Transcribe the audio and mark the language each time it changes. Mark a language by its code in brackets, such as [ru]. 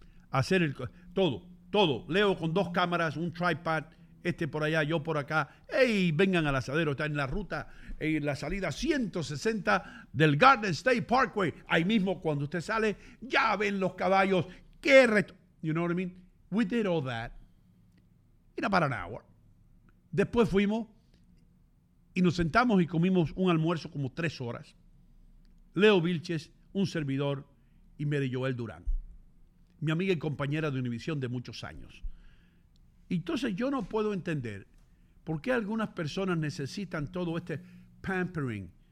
[es] Hacer todo. Leo con 2 cámaras, un tripod, este por allá, yo por acá, ¡ey! Vengan al Asadero, está en la ruta, en la salida 160 del Garden State Parkway. Ahí mismo, cuando usted sale, ya ven los caballos, ¡qué reto! [en] You know what I mean? We did all that in about an hour. [es] Después fuimos y nos sentamos y comimos un almuerzo como 3 horas. Leo Vilches, un servidor, y Mary Joel Durán, mi amiga y compañera de Univision de muchos años. Entonces yo no puedo entender por qué algunas personas necesitan todo este pampering